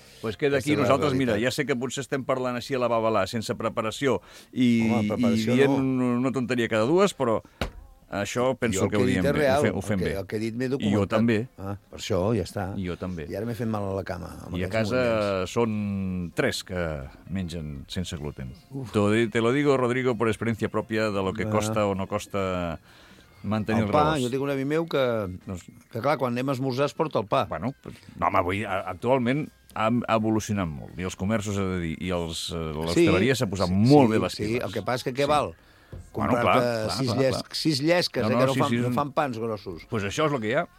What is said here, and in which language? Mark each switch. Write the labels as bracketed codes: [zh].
[ca] Pues queda aquí nosaltres, mira, ja sé que potser estem parlant així a la babalà, sense preparació, i, dient no. Una tonteria cada dues, però això penso que ho diem bé, ho fem bé. El que he dit m'he documentat. Jo també. Ah, per això, ja està. Jo també. I ara m'he fet mal a la cama. I a casa són tres que mengen sense gluten. [es] Te lo digo, Rodrigo, por experiencia propia de lo que costa o no costa... [ca] El pa, jo tinc un avi meu que, clar, quan anem a esmorzar es porta el pa. Bueno, no, home, avui, actualment ha evolucionat molt. I els comerços, he de dir, i l'hostaleria s'ha posat molt bé les piles. Sí, el que passa és que què val? Comprar-te sis llesques, que no fan pans grossos. Doncs pues això és el que hi ha.